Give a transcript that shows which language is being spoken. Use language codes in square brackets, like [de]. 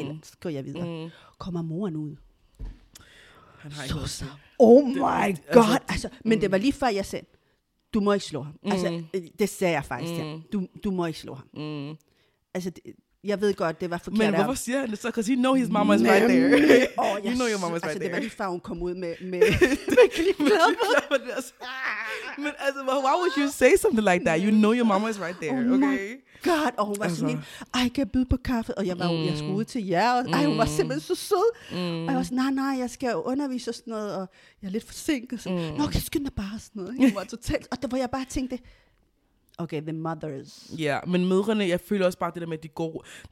[da] Ellers går jeg videre. Kommer moren ud? [en] Oh my god! [da] Men det var lige før, jeg sagde, du må ikke slå ham. Altså, det sagde jeg faktisk til ham. Du må ikke slå ham. Altså, jeg ved godt, det var forkert. Men hvorfor siger han det så? [en] Because he know his mama is right there. Oh, you know your mama is right there. [da] Altså, det var lige før, hun kom ud med klipklapper. Men altså, [en] why would you say something like that? You know your mama is right there, okay? Oh my god, [da] og hun var sådan en, I kan byde på kaffe. Og jeg var jeg skulle ud til jer. Og, ej, hun var simpelthen så sød. Mm. Og jeg var sådan, nej, jeg skal undervise og sådan noget. Og jeg er lidt forsinket. Så, nå, kan jeg skynde dig bare sådan noget? Hun var totalt, og der var jeg bare tænkte, [en] okay, the mothers. [da] Ja, yeah, men mødrene, jeg føler også bare det der med, at de går.